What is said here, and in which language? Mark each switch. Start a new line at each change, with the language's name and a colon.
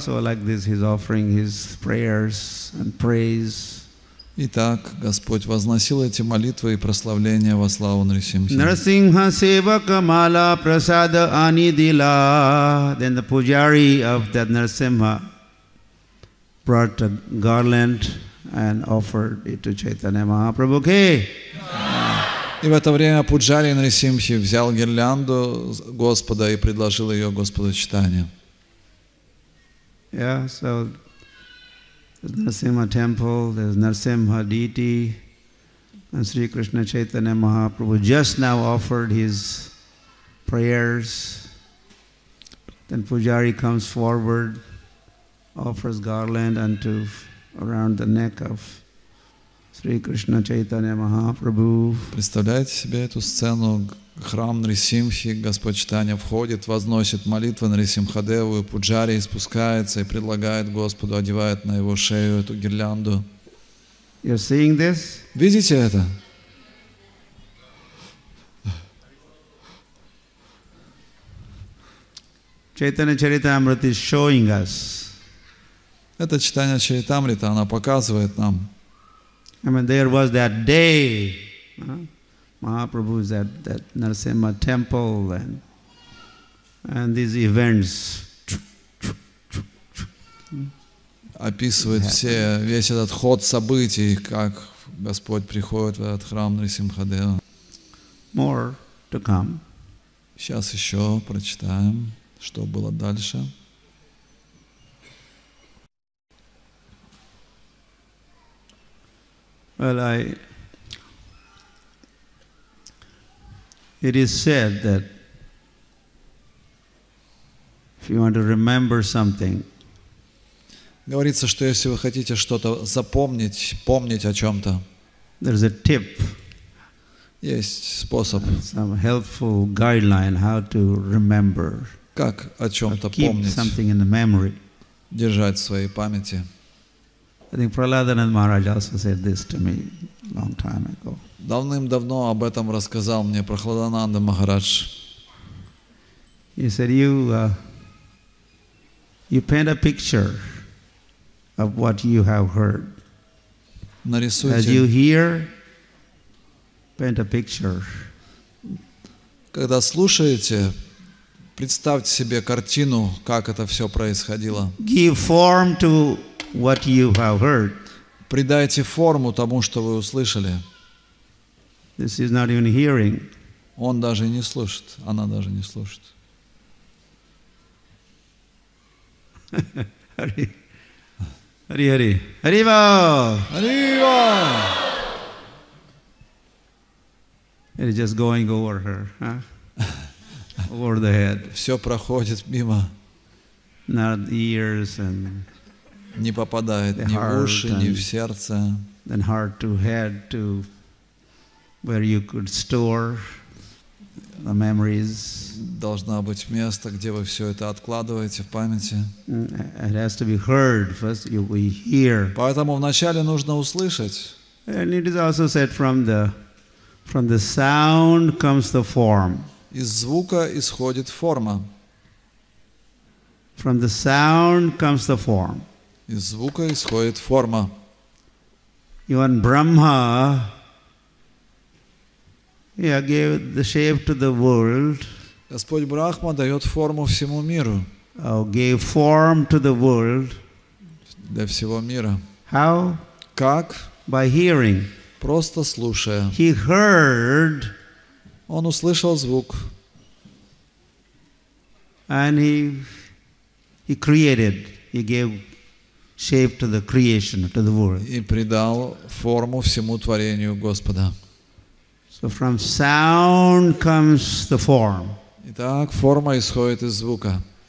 English: So like this he's offering his prayers and praise.
Russian: Итак, Господь возносил эти молитвы и прославления во славу Нарсимхи.
Bangla: Нарсимха севака мала прасада анидила.
English: Then the pujari of that Нарсимха brought a garland and offered it to Chaitanya Mahaprabhu. Okay.
Russian: И в это время Пуджари Нарисимхи взял гирлянду Господа и предложил ее Господу Чайтанье.
English: Yeah, so there's Narasimha temple, there's Narasimha deity, and Sri Krishna Chaitanya Mahaprabhu just now offered his prayers. Then Pujari comes forward, offers garland unto around the neck of Sri Krishna Chaitanya Mahaprabhu.
Russian: Представляете себе эту сцену? Храм Нарисимхи, Господь Чайтанья входит, возносит молитвы Нарисимхадеву, и Пуджари спускается и предлагает Господу, одевает на его шею эту гирлянду.
English: You're seeing this?
Russian: Видите это?
English: Chaitanya Charitamrita is showing us.
Russian: Это Чайтанья Чаритамрита, она показывает нам.
English: I mean, there was that day, Mahaprabhu is at that Narasimha temple and these events.
Russian: Описывает все, весь этот ход событий, как Господь приходит в этот храм Нарисимхадева.
English: More to come.
Russian: Сейчас еще прочитаем, что было дальше.
English: Well, it is said that if you want to remember something,
Russian: говорится, что если вы хотите что-то запомнить, помнить о чем-то,
English: there's a tip.
Russian: Есть способ.
English: Some helpful guideline how to remember.
Russian: Как о чем-то
English: keep
Russian: помнить?
English: Keep something in the memory.
Russian: Держать в своей памяти.
English: I think Prahladanand Maharaj also said this to me long time ago.
Russian: Давным-давно об этом рассказал мне Прахладананда Махарадж.
English: He said, you paint a picture of what you have heard.
Russian: Нарисуйте.
English: As you hear, paint a picture.
Russian: Когда слушаете, представьте себе картину, как это все происходило.
English: Give form to what you have heard.
Russian: Придайте форму тому, что вы услышали.
English: This is not even hearing.
Russian: Он даже не слушает, она даже не слушает.
Sanskrit: Hari, Hari, Hari, Hari Bol.
English: It is just going over her, huh? Over the head.
Russian: Все проходит мимо.
English: Not ears and.
Russian: Не попадает ни в уши, ни в сердце.
English: Then heart to head to where you could store the memories.
Russian: Должно быть место, где вы все это откладываете в памяти.
English: It has to be heard first. We hear.
Russian: Поэтому вначале нужно услышать.
English: And it is also said from the sound comes the form.
Russian: Из звука исходит форма.
English: From the sound comes the form.
Russian: Из звука исходит форма.
English: Иван Брахма, yeah, gave the shape to the world.
Russian: Господь Брахма дает форму всему миру.
English: Gave form to the world.
Russian: Для всего мира.
English: How?
Russian: Как?
English: By hearing.
Russian: Просто слушая.
English: He heard.
Russian: Он услышал звук.
English: And he created. He gave shape to the creation, to the world.
Russian: И придал форму всему творению Господа.
English: So from sound comes the form.
Russian: Итак, форма исходит из звука.